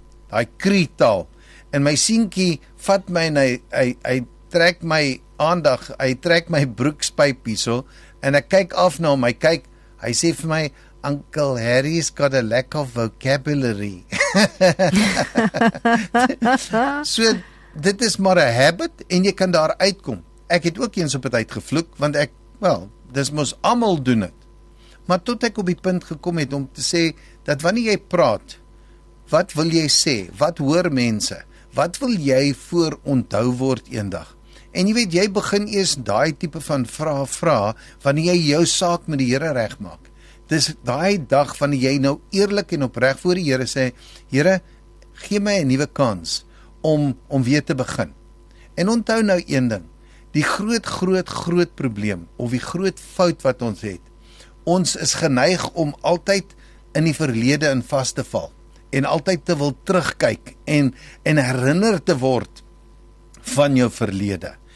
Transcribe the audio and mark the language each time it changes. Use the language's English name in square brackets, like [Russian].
[Afrikaans] hy kree taal, en my seentjie vat my, en hy trek my aandag, hy trek my broekspyp hiesel, en ek kyk af na hom, hy sê vir my, [English] Uncle Harry's got a lack of vocabulary. [Afrikaans] So, dit is maar 'n habit, en jy kan daar uitkom. Ek het ook eens op het uitgevloek, want ek, wel, dis mos almal doen het. Maar tot ek op die punt gekom het om te sê, dat wanneer jy praat, wat wil jy sê? Wat hoor mense? Wat wil jy voor onthou word eendag? En jy weet, jy begin eers daai tipe van vra, wanneer jy jou saak met die Here reg maak. Dis daai dag wanneer jy nou eerlik en opreg voor die Here sê, Here, gee my 'n nuwe kans om weer te begin. En onthou nou een ding, die groot probleem, of die groot fout wat ons het, ons is geneig om altyd in die verlede in vas te val, en altyd te wil terugkyk, en herinner te word van jou verlede.